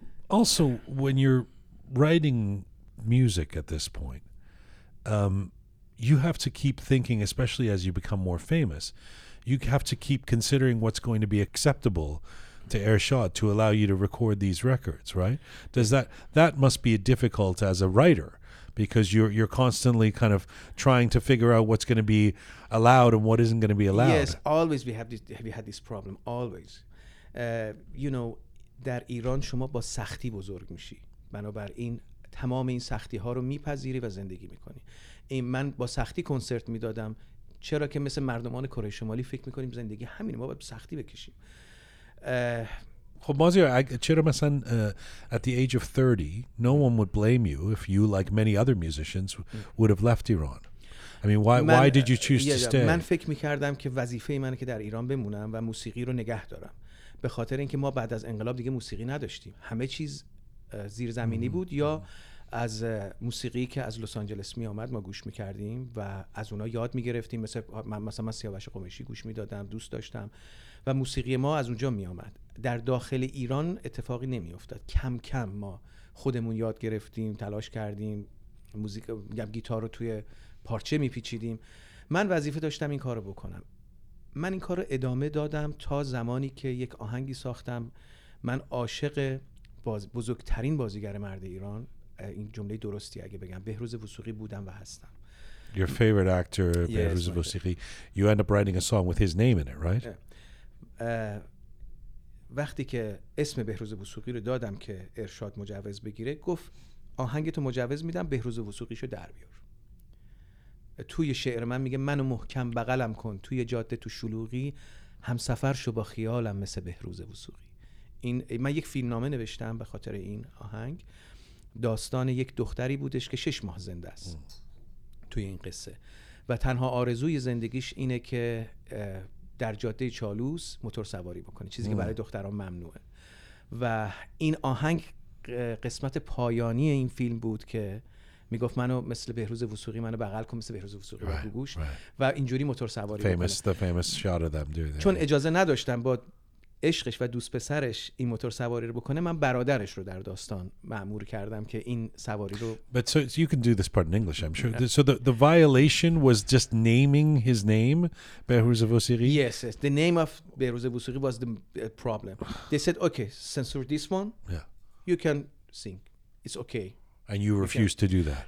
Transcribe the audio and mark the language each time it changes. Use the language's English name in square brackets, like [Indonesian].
[English] Also, when you're writing music at this point, you have to keep thinking, especially as you become more famous, you have to keep considering what's going to be acceptable to Arshad to allow you to record these records, right? Does that must be difficult as a writer? Because you're constantly kind of trying to figure out what's going to be allowed and what isn't going to be allowed. Yes, always we had this problem. Always, you know, [Persian] در ایران شما با سختی بزرگ میشی. بنابر این تمام این سختی ها رو میپذیری و زندگی میکنی. این من با سختی کنسرت میدادم. چرا که مثل مردمان کره شمالی فکر میکنیم زندگی همینه، ما باید سختی بکشیم. خب مازیار، چرا مثلا [English] at the age of 30 no one would blame you if you like many other musicians would have left Iran. I mean why did you choose to stay? [Persian] من فکر می‌کردم که وظیفه منه که در ایران بمونم و موسیقی رو نگه دارم، به خاطر اینکه ما بعد از انقلاب دیگه موسیقی نداشتیم، همه چیز زیرزمینی بود یا از موسیقی که از لس آنجلس می اومد ما گوش می‌کردیم و از اونها یاد می‌گرفتیم. مثلا من سیاوش قمیشی گوش می‌دادم، دوست داشتم و موسیقی ما از اونجا می اومد. در داخل ایران اتفاقی نمی افتاد. کم کم ما خودمون یاد گرفتیم، تلاش کردیم، موسیقی گیتار رو توی پارچه می پیچیدیم. من وظیفه داشتم این کارو بکنم. من این کارو ادامه دادم تا زمانی که یک آهنگی ساختم. من عاشق بزرگترین بازیگر مرد ایران، این جمله درستی اگه بگم، بهروز وثوقی بودم و هستم. [English] Your favorite actor, بهروز وثوقی. You end up writing a song with his name in it, right? [Persian] وقتی که اسم بهروز وثوقی رو دادم که ارشاد مجوز بگیره، گفت آهنگتو مجوز میدم، بهروز وثوقیشو در بیار. توی شعر من میگه منو محکم بغلم کن توی جاده تو شلوغی، همسفر شو با خیالم مثل بهروز وثوقی. این من یک فیلمنامه نوشتم به خاطر این آهنگ. داستان یک دختری بودش که 6 ماه زنده است توی این قصه و تنها آرزوی زندگیش اینه که در جاده چالوس موتور سواری بکنی، چیزی که برای دختران ممنوعه. و این آهنگ قسمت پایانی این فیلم بود که میگفت منو مثل بهروز وثوقی، منو بغل کن مثل بهروز وثوقی بگو گوش و اینجوری موتور سواری [English] famous, [Persian] بکنه. [English] famous shot of them doing that. [Persian] چون اجازه نداشتم با عشقش و دوست پسرش این موتور سواری رو بکنه، من برادرش رو در داستان مأمور کردم که این سواری رو. [English] But so you can do this part in English, I'm sure. Yeah. So the violation was just naming his name, Behruz Vosiri. Yes, yes. The name of Behruz Vosiri was the problem. They said, okay, censor this one. Yeah. You can sing. It's okay. And you refused to do that.